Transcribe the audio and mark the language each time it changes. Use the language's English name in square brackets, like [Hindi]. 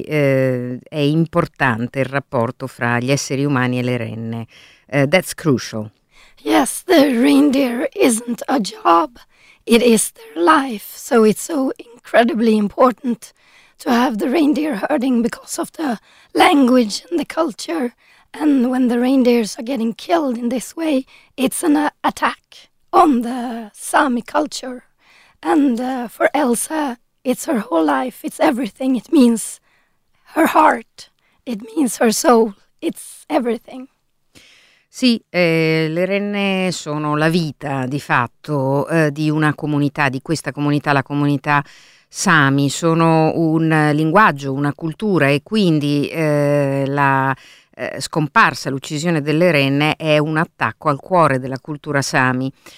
[Italian] È importante il rapporto fra gli esseri umani e le renne. [English] That's crucial. Yes, the reindeer isn't a job, it is their life. So it's so incredibly important to have the reindeer herding because of the language and the culture. And when the reindeers are getting killed in this way, it's an attack on the Sami culture. And for Elsa, it's her whole life, it's everything. It means her heart, it means her soul, it's everything. [Italian] Sì, le renne sono la vita, di fatto, di una comunità, di questa comunità, la comunità Sami. Sono un linguaggio, una cultura, e quindi la scomparsa, l'uccisione delle renne è un attacco al cuore della cultura Sami.